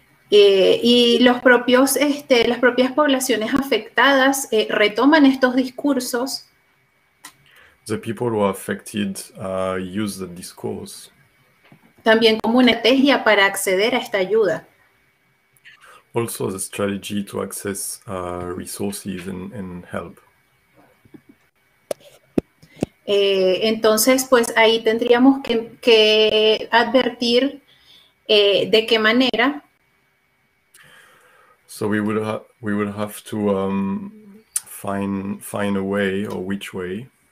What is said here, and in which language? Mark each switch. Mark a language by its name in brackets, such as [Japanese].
[Spanish] Y los propios, las propias poblaciones afectadas retoman estos discursos. [English] The people who are affected use the discourse. [Spanish] También como una estrategia para acceder a esta ayuda. [English] Also the strategy to access resources and help. [Spanish] Entonces, pues ahí tendríamos que advertir de qué manera. [English] So we will have to find a way or which way.